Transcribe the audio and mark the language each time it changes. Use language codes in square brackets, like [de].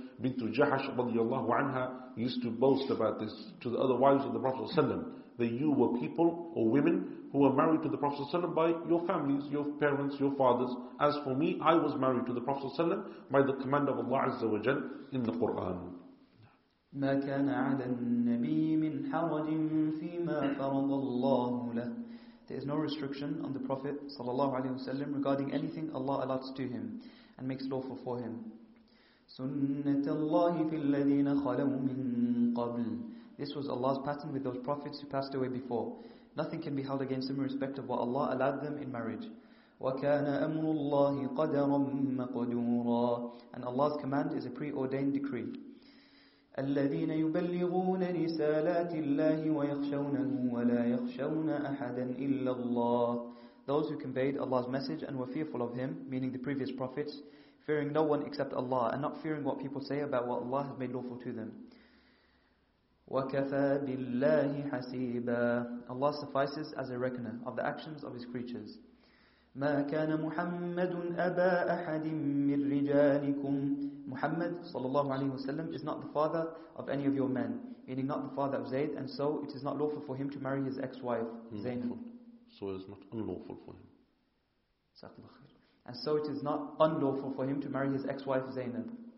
[en] Bintu Jahash [ar] radiallahu anha [en] used to boast about this to the other wives of the Prophet sallam, that you were people or women who were married to the Prophet sallam by your families, your parents, your fathers. As for me, I was married to the Prophet sallam by the command of Allah [ar] azza wa jal [en] in the Quran. [ar] ما كان على النبي من حرج فيما فرض الله له. [en] There is no restriction on the Prophet [ar] sallallahu alaihi wasallam [en] regarding anything Allah allots to him and makes lawful for him. [ar] سُنَّةَ اللَّهِ فِي الَّذِينَ خَلَوْا مِن قَبْلٍ. [en] This was Allah's pattern with those prophets who passed away before. Nothing can be held against them in respect of what Allah allowed them in marriage. [ar] وَكَانَ أَمْرُ اللَّهِ قَدَرًا مَقْدُورًا. [en] And Allah's command is a preordained decree. [ar] الَّذِينَ يُبَلِّغُونَ رِسَالَاتِ اللَّهِ وَيَخْشَوْنَهُ وَلَا يَخْشَوْنَ أَحَدًا إِلَّا اللَّهِ. [en] Those who conveyed Allah's message and were fearful of Him, meaning the previous prophets, fearing no one except Allah, and not fearing what people say about what Allah has made lawful to them. [ar] وَكَفَى بِاللَّهِ حَسِيبًا. [en] Allah suffices as a reckoner of the actions of His creatures. [ar] مَا كَانَ مُحَمَّدٌ أَبَا أَحَدٍ مِّن رِجَالِكُمْ. [en] Muhammad [ar] sallallahu alayhi wa sallam [en] is not the father of any of your men, meaning not the father of Zayd, and so it is not lawful for him to marry his ex-wife, Zainful. So it is not unlawful for him. And so it is not unlawful for him to marry his ex-wife, Zainab.